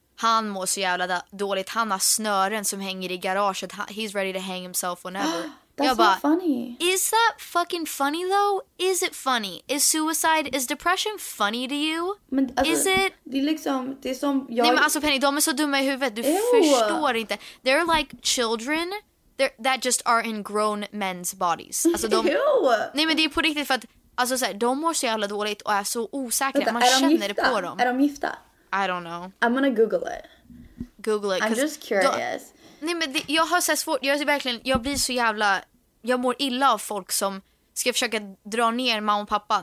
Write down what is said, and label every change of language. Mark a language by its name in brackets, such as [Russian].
[Swedish] Han mår så jävla dåligt. Han har snören som hänger i garaget. [English] He's ready to hang himself whenever. That's [Swedish] jag bara, [English] not funny. Is that fucking funny though? Is it funny? Is suicide, is depression funny to you? [Swedish] Men, alltså, [English] is it? [Swedish] Det är liksom, det är som jag... Nej men alltså Penny, de är så dumma i huvudet. Du förstår inte. [English] They're like children that just are in grown men's bodies. [Swedish] Alltså, nej men det är på riktigt för att alltså, så här, de mår så jävla dåligt och är så osäkra. Man känner det på dem. Är de gifta? [English] I don't know. I'm gonna Google it. Google it. I'm just curious. [Swedish] Nej, men jag har så svårt. Jag blir så jävla... Jag mår illa av folk som ska försöka dra ner mamma och pappa.